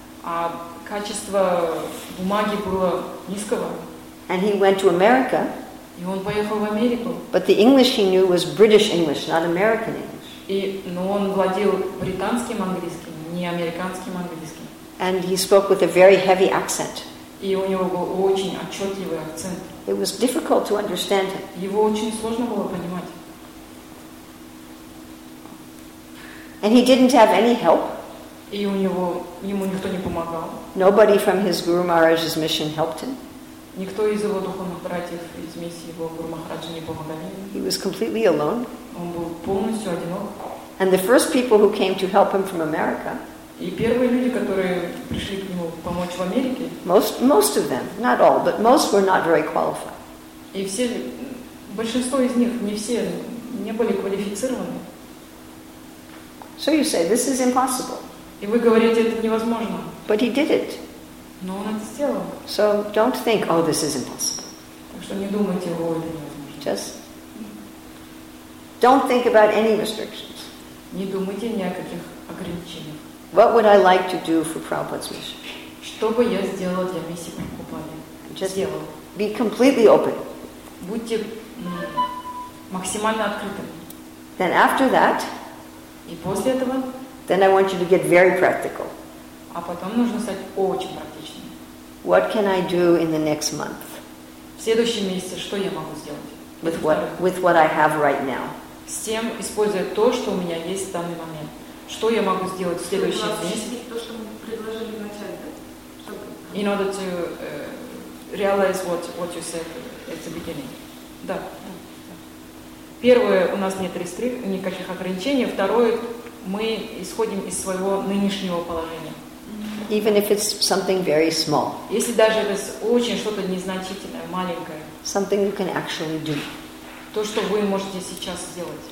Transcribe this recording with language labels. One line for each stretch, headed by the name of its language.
Russian: А качество бумаги было низкого.
English: And he went to America.
Russian: И он поехал в Америку.
English: But the English he knew was British English, not American English.
Russian: Но он владел британским английским, не американским английским.
English: And he spoke with a very heavy accent.
Russian: И у него был очень отчетливый акцент.
English: It was difficult to understand him.
Russian: Его очень сложно было понимать.
English: And he didn't have any help.
Russian: И ему никто не помогал.
English: Nobody from his Guru Maharaj's mission helped him.
Russian: Никто из его духовных братьев из миссии его Гуру Махараджа не помогали.
English: He was completely alone.
Russian: Он был полностью одинок.
English: And the first people who came to help him from America.
Russian: И первые люди, которые пришли к нему помочь в Америке.
English: Most of them, not all, but most were not very qualified.
Russian: И все, большинство из них, не все, не были квалифицированы.
English: So you say this is impossible.
Russian: И вы говорите, это невозможно.
English: But he did it.
Russian: Но он это сделал.
English: So don't think, oh, this is impossible.
Russian: Так что не думайте, о, это невозможно.
English: Just don't think about any restrictions.
Russian: Не думайте ни о каких ограничениях.
English: What would I like to do for Prabhupada's mission?
Russian: Что бы я сделала для миссии Прабхупады?
English: Just be completely open.
Russian: Будьте максимально открытым.
English: Then after that,
Russian: и после этого,
English: then I want you to get very practical.
Russian: А потом нужно стать очень практичным.
English: What can I do in the next month?
Russian: В следующем месяце что я могу сделать?
English: With what I have right now.
Russian: С тем, используя то, что у меня есть в данный момент. Что я могу сделать в следующий день? То, что мы предложили в начале, да? Чтобы...
English: In order to realize what you said at the beginning.
Russian: Да. Первое, у нас нет никаких ограничений. Второе, мы исходим из своего нынешнего положения.
English: Even if it's something very small.
Russian: Если даже это очень что-то незначительное, маленькое.
English: Something you can actually do.
Russian: То, что вы можете сейчас сделать.